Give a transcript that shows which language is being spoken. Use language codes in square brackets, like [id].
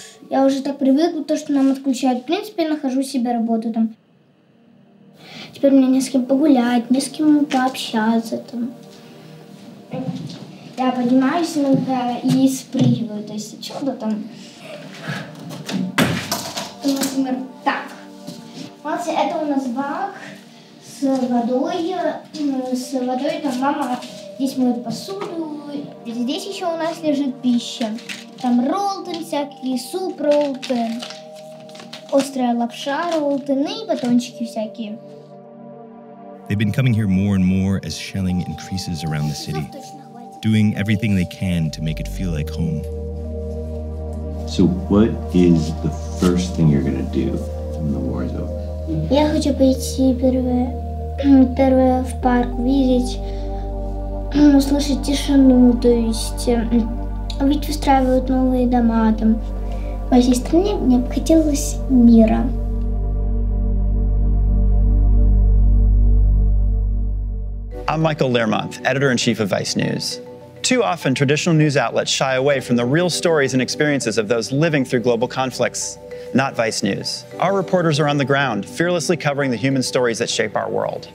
[uk] Я вже так привикла, то, що нам відключають. В принципі, я нахожу себе роботу там. Тепер мені не з ким погуляти, не з ким пообщатися там. Я піднімаюся іноді і спригиваю, то есть чудо там. [ru] То, например, так. Знаете, это у нас бак с водой. С водой там мама здесь моет посуду. Здесь еще у нас лежит пища. Там роллтон всякий, суп роллтон, острая лапша роллтон и батончики всякие. [en] They've been coming here more and more as shelling increases around the city, doing everything they can to make it feel like home. So what is the first thing you're going to do when the war is over? [ru] Я хочу пойти первое в парк, видеть, услышать тишину, то есть ведь устраивают новые дома там. В моей стране мне бы хотелось мира. [en] I'm Michael Learmonth, editor-in-chief of Vice News. Too often, traditional news outlets shy away from the real stories and experiences of those living through global conflicts. Not Vice News. Our reporters are on the ground, fearlessly covering the human stories that shape our world.